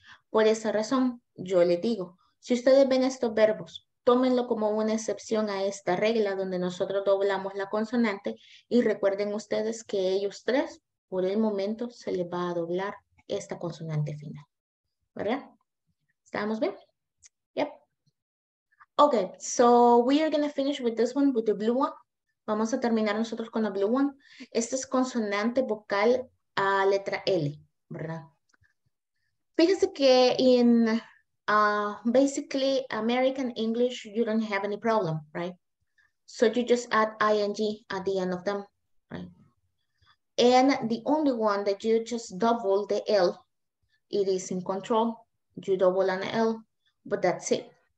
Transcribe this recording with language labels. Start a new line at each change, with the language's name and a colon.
Spanish: Por esa razón, yo les digo, si ustedes ven estos verbos, tómenlo como una excepción a esta regla donde nosotros doblamos la consonante y recuerden ustedes que ellos tres, por el momento, se les va a doblar esta consonante final. ¿Verdad? ¿Estamos bien? Yep.
English: Okay, so we are going to finish with this one, with the blue one.
Spanish: Vamos a terminar nosotros con la
English: blue one.
Spanish: Esta es consonante vocal a letra L, ¿verdad? Fíjense que
English: in basically American English, you don't have any problem, right? So you just add ing at the end of them, right? And the only one that you just double the L, it is in control, you double an L, but that's it.